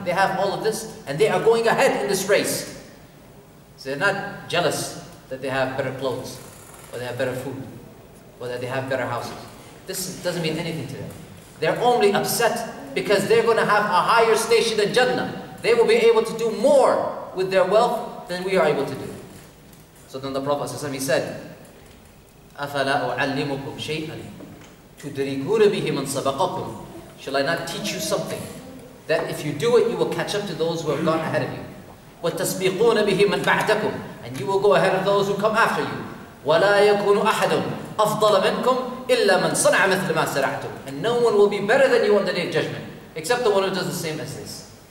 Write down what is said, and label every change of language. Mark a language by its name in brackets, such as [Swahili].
[English] They have all of this and they are going ahead in this race. So they're not jealous that they have better clothes or they have better food or that they have better houses. This doesn't mean anything to them. They're only upset because they're going to have a higher station than Jannah. They will be able to do more with their wealth than we are able to do. So then the Prophet ﷺ, he said, [Arabic] أَفَلَا أُعَلِّمُكُمْ شَيْئًا تُدْرِكُونَ بِهِ مَنْ سَبَقَكُمْ. [English] Shall I not teach you something that if you do it, you will catch up to those who have gone ahead of you? [Arabic] وَتَسْبِقُونَ بِهِ مَنْ بَعْدَكُمْ. [English] And you will go ahead of those who come after you. [Arabic] وَلَا يَكُونُ أَحَدٌ أَفْضَلَ مِنْكُمْ إِلَّا مَنْ صَنَعَ مِثْلَ مَا سَرَعْتُمْ. [English] And no one will be better than you on the day of judgment, except the one who does the same as this.